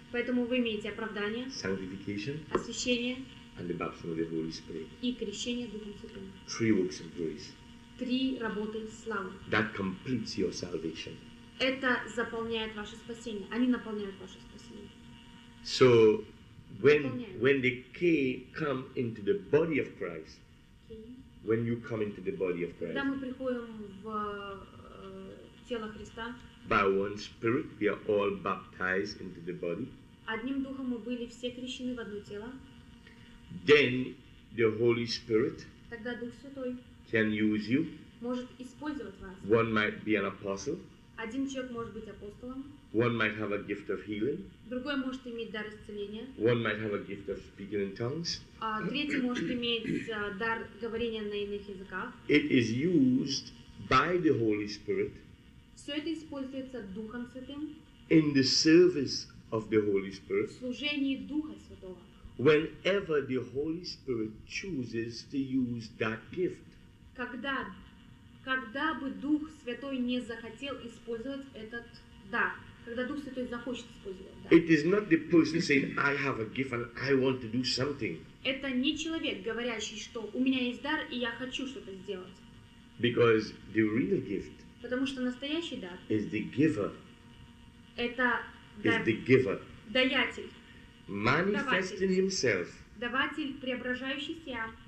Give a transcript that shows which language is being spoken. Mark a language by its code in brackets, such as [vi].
[ru] Поэтому вы имеете оправдание. [en] Sanctification. [ru] Освящение. [en] And the baptism of the Holy Spirit. [ru] И крещение Духом Святым. [en] Three works of grace. [ru] Три работы славы. [en] That completes your salvation. [ru] Это заполняет ваше спасение. Они наполняют ваше спасение. [en] So when they come into the body of Christ. When you come into the body of Christ. [ru] Когда мы приходим в тело Христа. [en] By one spirit we are all baptized into the body. [ru] Одним духом мы были все крещены в одно тело. [en] Then the Holy Spirit. [ru] Тогда Дух Святой. [en] Can use you. [ru] Может использовать вас. [en] One might be an apostle. [ru] Один человек может быть апостолом. [en] One might have a gift of healing. [ru] Другой может иметь дар исцеления. [en] One might have a gift of speaking in tongues. [ru] Третий может иметь дар говорения на иных языках. [en] It is used by the Holy Spirit. [ru] Все это используется Духом Святым. [en] In the service of the Holy Spirit. [ru] В служении Духа Святого. [en] Whenever the Holy Spirit chooses to use that gift. [ru] Когда бы Дух Святой не захотел использовать этот дар. Когда Дух Святой захочет использовать дар. [en] It is not the person saying, I have a gift and I want to do something. [ru] Это не человек, говорящий, что у меня есть дар и я хочу что-то сделать. [en] Because the real gift. [ru] Потому что настоящий дар. [en] Is the giver. [ru] Это [en] is the giver. [ru] Даятель. [en] Manifesting [ru] даватель. [en] Himself. [ru] Даватель, преображающий себя.